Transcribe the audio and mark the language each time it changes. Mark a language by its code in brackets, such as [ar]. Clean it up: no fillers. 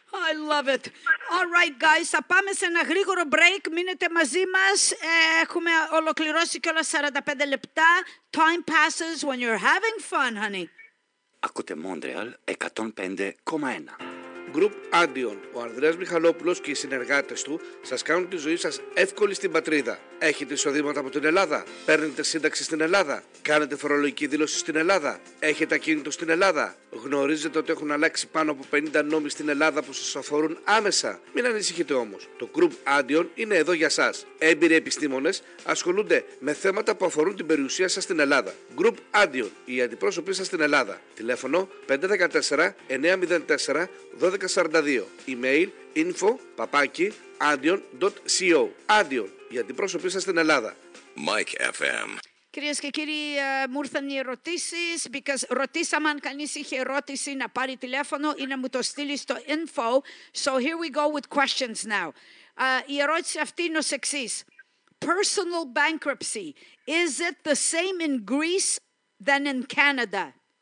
[el] I love it. All right, guys, θα πάμε σε ένα γρήγορο break. Μείνετε μαζί μας. Έχουμε ολοκληρώσει κιόλας 45 λεπτά. [en] Time passes when you're having fun, honey. [el] Ακούτε Montreal 105,1. Group Andion, ο Ανδρέας Μιχαλόπουλος και οι συνεργάτες του σας κάνουν τη ζωή σας εύκολη στην πατρίδα. Έχετε εισοδήματα από την Ελλάδα? Παίρνετε σύνταξη στην Ελλάδα? Κάνετε φορολογική δήλωση στην Ελλάδα? Έχετε ακίνητο στην Ελλάδα? Γνωρίζετε ότι έχουν αλλάξει πάνω από 50 νόμοι στην Ελλάδα που σας αφορούν άμεσα? Μην ανησυχείτε όμως. Το Group Andion είναι εδώ για σας. Έμπειροι επιστήμονες ασχολούνται με θέματα που αφορούν την περιουσία σας στην Ελλάδα. Group Andion, οι αντιπρόσωποι σας στην Ελλάδα. Τηλέφωνο 514 904 1242. Email info@andion.co. Andion, οι αντιπρόσωποι σας στην Ελλάδα. Mike FM. Κυρίες και κύριοι, μου ήρθαν οι ερωτήσεις. Ρωτήσαμε αν κανείς είχε ερώτηση να πάρει τηλέφωνο ή να μου το στείλει στο info. [en] So here we go with questions now. [el] Η ερώτηση αυτή είναι ως εξής. [en] Personal bankruptcy, is it the same in Greece than in Canada?